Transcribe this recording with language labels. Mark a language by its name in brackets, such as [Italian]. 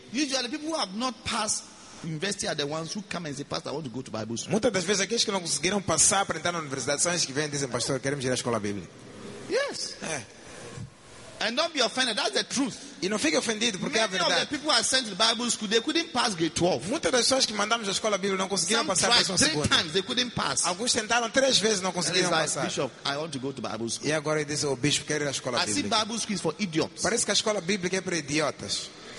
[English] Usually people who have not passed university are the ones who come and say, Pastor, I want to go to Bible school. [Portuguese] Muitas das vezes aqueles que não conseguiram passar para entrar na universidade são os que vêm e dizem, Pastor, queremos ir à escola bíblica. [English] Yes. And don't be offended, that's the truth. [Portuguese] E não fique ofendido porque [English] many [Portuguese] é a verdade. [English] Of the people are sent to the Bible school, they couldn't pass grade 12. [Portuguese] Muitas das pessoas que mandamos à escola bíblica não conseguiram [English] some [Portuguese] passar a segunda. [English] Three times they couldn't pass. [Portuguese] Alguns tentaram três vezes não conseguiram [English] like, [Portuguese] passar. [English] Bishop, I want to go to Bible school. [Portuguese] E agora ele diz, oh, bispo, quero ir à escola bíblica. [English] I see Bible school is for idiots. [Portuguese] Parece que a escola bíblica é para idiotas.